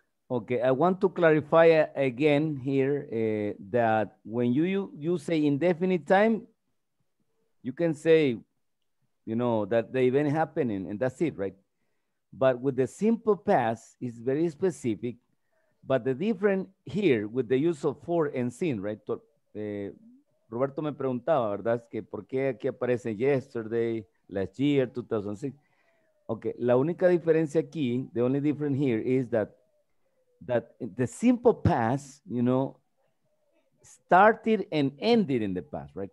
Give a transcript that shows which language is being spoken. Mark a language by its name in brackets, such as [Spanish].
[English] Okay, I want to clarify again here that when you say indefinite time, you can say, you know, that the event happened and that's it, right? But with the simple past, it's very specific. But the difference here with the use of for and since, right? [Spanish] Roberto me preguntaba, ¿verdad? Es que ¿por qué aquí aparece [English] yesterday, last year, [Spanish] 2006? [English] Okay, [Spanish] la única diferencia aquí, [English] the only difference here is that the simple past, you know, started and ended in the past, right?